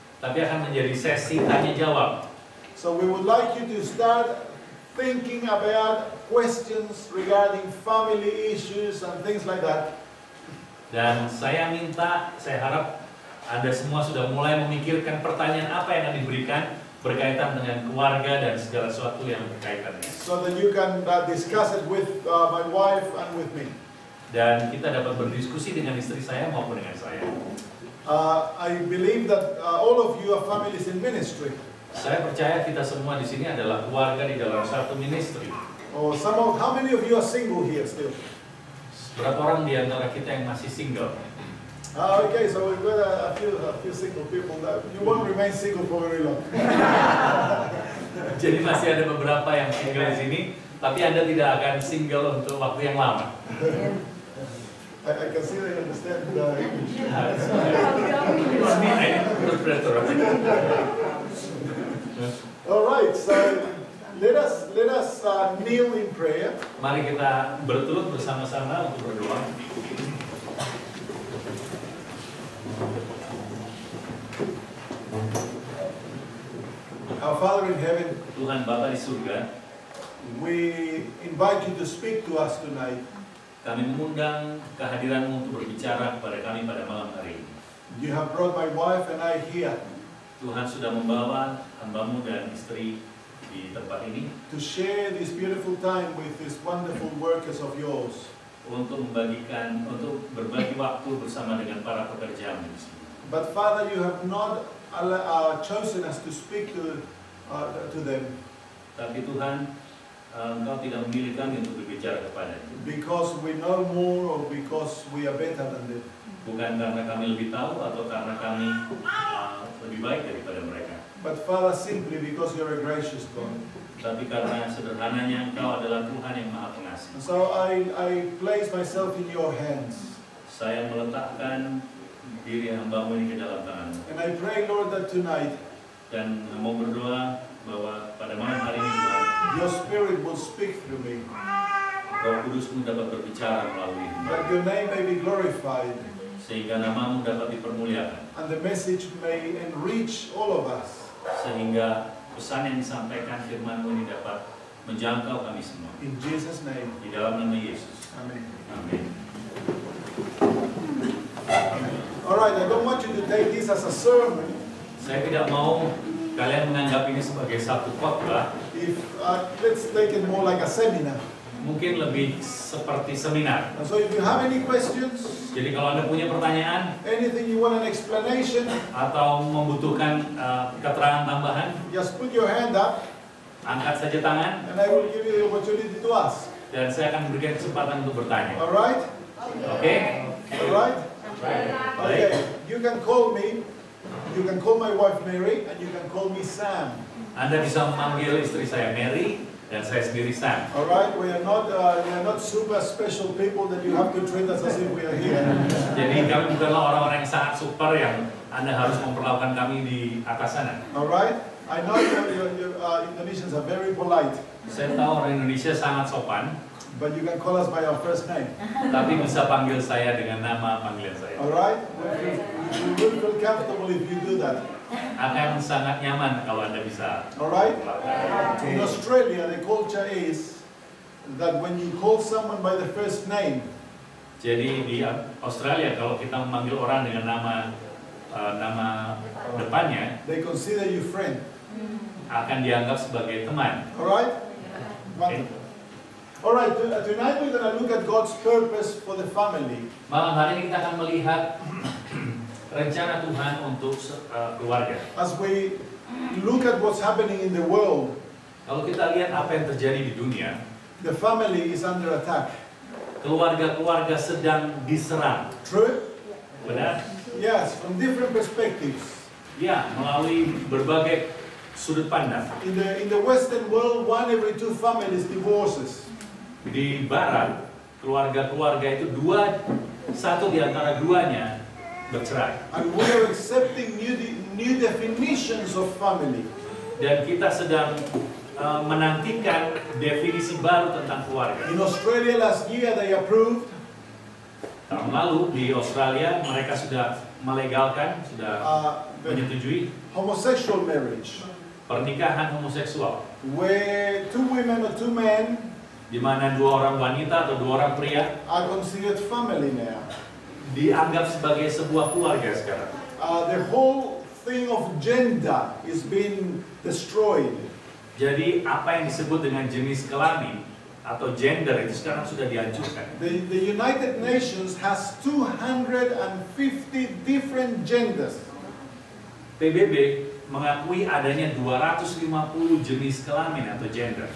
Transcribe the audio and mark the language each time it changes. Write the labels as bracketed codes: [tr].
[id] Tapi akan menjadi sesi tanya jawab. [en] So we would like you to start thinking about questions regarding family issues and things like that. [id] Dan saya minta, saya harap Anda semua sudah mulai memikirkan pertanyaan apa yang akan diberikan berkaitan dengan keluarga dan segala sesuatu yang berkaitan. [en] So that you can discuss it with my wife and with me. [id] Dan kita dapat berdiskusi dengan istri saya maupun dengan saya. [en] I believe that all of you are families in ministry. [id] Saya percaya kita semua di sini adalah keluarga di dalam satu ministry. [en] Oh, some of, how many of you are single here still? [id] Berapa orang di antara kita yang masih single? [en] Okay, so we've got a few single people that you won't remain single for very long. [id] Jadi masih ada beberapa yang single di sini, tapi Anda tidak akan single untuk waktu yang lama. [en] I can see they understand the issue. It's me, I am the interpreter. All right, so let us kneel in prayer. [id] Mari kita bertelut bersama-sama untuk berdoa. [en] Our Father in heaven, [id] Tuhan Bapa di surga, [en] we invite you to speak to us tonight. [id] Kami mengundang kehadiran-Mu untuk berbicara kepada kami pada malam hari ini. [en] You have brought my wife and I here. [id] Tuhan sudah membawa hamba-Mu dan istri di tempat ini [en] to share this beautiful time with this wonderful workers of yours. [id] Untuk berbagi waktu bersama dengan para pekerja-Mu. [en] But Father, you have not chosen us to speak to them. [id] Tapi Tuhan, Engkau tidak memilih kami untuk berbicara kepada mereka. [en] Because we know more or because we are better than them. [id] Bukan karena kami lebih tahu atau karena kami lebih baik daripada mereka. [en] But Father, simply because you are a gracious God. [id] Tapi karena sederhananya Engkau adalah Tuhan yang Maha Pengasih. [en] So I place myself in your hands. [id] Saya meletakkan diri hamba-Mu ini ke dalam tangan-Mu. [en] And I pray, Lord, that tonight. [id] Dan mau berdoa bahwa pada malam hari ini Tuhan, [en] your Spirit will speak through me. [id] Roh Kudus-Mu dapat berbicara melalui ini. [en] That your name may be glorified. [id] Sehingga nama-Mu dapat dipermuliakan. [en] And the message may enrich all of us. [id] Sehingga pesan yang disampaikan firman-Mu ini dapat menjangkau kami semua. [en] In Jesus' name. [id] Di dalam nama Yesus. [en] Amen. [id] Amen. [en] All right, I don't want you to take this as a sermon. [id] Saya tidak mau kalian menganggap ini sebagai satu khotbah, [en] if let's take it more like a seminar, [id] mungkin lebih seperti seminar. [en] So if you have any questions, [id] jadi kalau Anda punya pertanyaan, [en] anything you want an explanation, [id] atau membutuhkan keterangan tambahan, [en] just put your hand up, [id] angkat saja tangan, [en] and I will give you the opportunity to ask. [id] Dan saya akan memberikan kesempatan untuk bertanya. [en] Alright? [id] Oke. [en] Okay. Alright? [id] Baik. [en] Okay. You can call me. You can call my wife Mary and you can call me Sam. [id] Anda bisa memanggil istri saya Mary dan saya sendiri Sam. [en] Alright, we are not super special people that you have to treat us as if we are here. [id] Jadi kami bukanlah orang-orang yang sangat super yang Anda harus memperlakukan kami di atas sana. [en] Alright? I know your Indonesians are very polite. [id] Saya tahu orang Indonesia sangat sopan. [en] But you can call us by our first name. [id] Tapi bisa panggil saya dengan nama panggilan saya. [en] Alright? You will feel comfortable if you do that. [id] Akan sangat nyaman kalau Anda bisa. [en] Alright? Okay. In Australia, the culture is that when you call someone by the first name. [id] Jadi di Australia, kalau kita memanggil orang dengan nama depannya, [en] they consider you friend. [id] Akan dianggap sebagai teman. [en] Alright? Okay. All right, tonight we're going to look at God's purpose for the family. [id] Malam hari ini kita akan melihat rencana Tuhan untuk keluarga. [en] As we look at what's happening in the world, [id] kalau kita lihat apa yang terjadi di dunia, [en] the family is under attack. [id] Keluarga-keluarga sedang diserang. [en] True? [id] Benar? [en] Yes, from different perspectives. [id] Ya, melalui berbagai sudut pandang. [en] In the Western world, one every two families divorces. [id] Di Barat, keluarga-keluarga itu dua, satu di antara duanya bercerai. [en] And we are accepting new definitions of family. [id] Dan kita sedang menantikan definisi baru tentang keluarga. [en] In Australia last year they approved. [id] Tahun lalu di Australia mereka sudah melegalkan, sudah menyetujui [en] homosexual marriage. [id] Pernikahan homoseksual. [en] Where two women or two men. [id] Di mana dua orang wanita atau dua orang pria [en] are considered family now. [id] Dianggap sebagai sebuah keluarga sekarang. [en] The whole thing of gender is being destroyed. [id] Jadi apa yang disebut dengan jenis kelamin atau gender itu sekarang sudah dihancurkan. [en] The United Nations has 250 different genders. [id] PBB mengakui adanya 250 jenis kelamin atau gender.